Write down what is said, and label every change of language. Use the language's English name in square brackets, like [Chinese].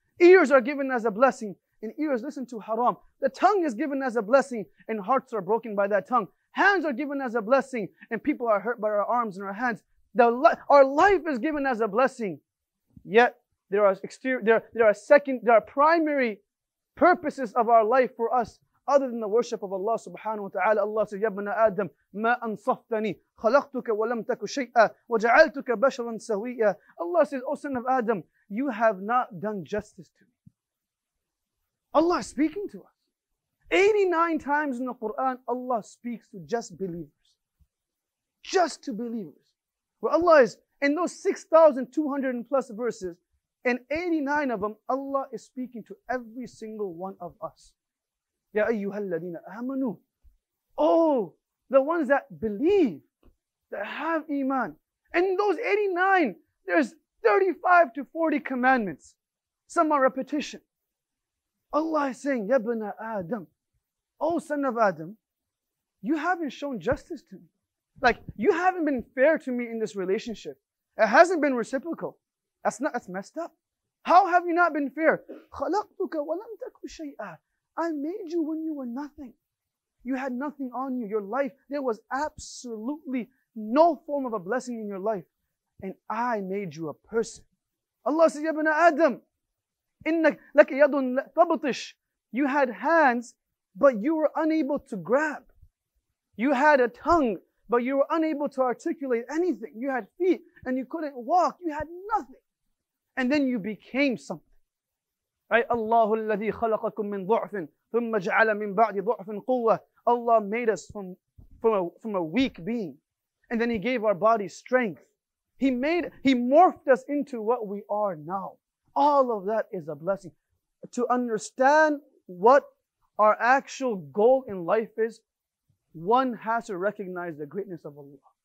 [English] Ears are given as a blessing and ears listen to haram. The tongue is given as a blessing and hearts are broken by that tongue. Hands are given as a blessing and people are hurt by our arms and our hands. Our life is given as a blessing. Yet there are primary purposes of our life for us other than the worship of Allah subhanahu wa ta'ala. Allah says, [Arabic] يَبْنَ آدَمْ مَا أَنْصَفْتَنِي خَلَقْتُكَ وَلَمْ تَكُ شَيْئًا وَجَعَلْتُكَ بَشَرًا سَوِيًّا. [English] Allah says, O son of Adam, you have not done justice to me. Allah is speaking to us. 89 times in the Quran, Allah speaks to just believers. Just to believers. Where Allah is, in those 6,200 plus verses, in 89 of them, Allah is speaking to every single one of us. [Arabic] يَا أَيُّهَا الَّذِينَ آمَنُوا. [English] Oh, the ones that believe, that have iman. And those 89, there's 35 to 40 commandments. Some are repetition. Allah is saying, [Arabic] يَبْنَ آدَمْ. [English] Oh, son of Adam, you haven't shown justice to me. Like, you haven't been fair to me in this relationship. It hasn't been reciprocal. That's messed up. How have you not been fair? [Arabic] خَلَقْتُكَ وَلَمْ تَكُوا شَيْئًا. [English] I made you when you were nothing. You had nothing on you. Your life, there was absolutely no form of a blessing in your life. And I made you a person. Allah says, [Arabic] يَبْنَ آدَمْ إِنَّكَ لَكَ يَدٌ تَبْطِشْ. [English] You had hands, but you were unable to grab. You had a tongue, but you were unable to articulate anything. You had feet, and you couldn't walk. You had nothing. And then you became something. [Arabic] Allah الذي خلقكم من ضعف ثم جعل من بعد ضعف قوة. [English] Allah made us from a weak being and then He gave our body strength. He morphed us into what we are now. All of that is a blessing. To understand what our actual goal in life is, one has to recognize the greatness of Allah.